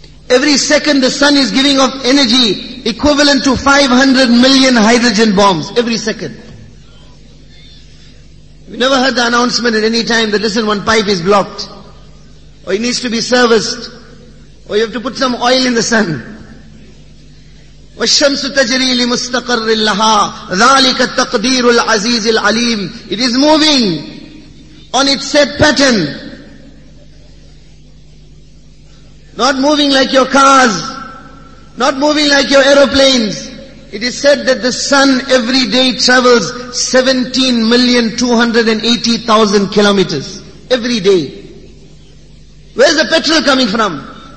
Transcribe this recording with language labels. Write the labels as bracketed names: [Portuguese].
[English] Every second the sun is giving off energy equivalent to 500 million hydrogen bombs. Every second. We never heard the announcement at any time that, listen, one pipe is blocked, or it needs to be serviced, or you have to put some oil in the sun. [Arabic] وَالشَّمْسُ تَجْرِي لِمُسْتَقَرِّ اللَّهَا ذَلِكَ تَقْدِيرُ الْعَزِيزِ الْعَلِيمِ, [English] it is moving on its set pattern. Not moving like your cars, not moving like your aeroplanes. It is said that the sun every day travels 17,280,000 kilometers every day. Where's the petrol coming from?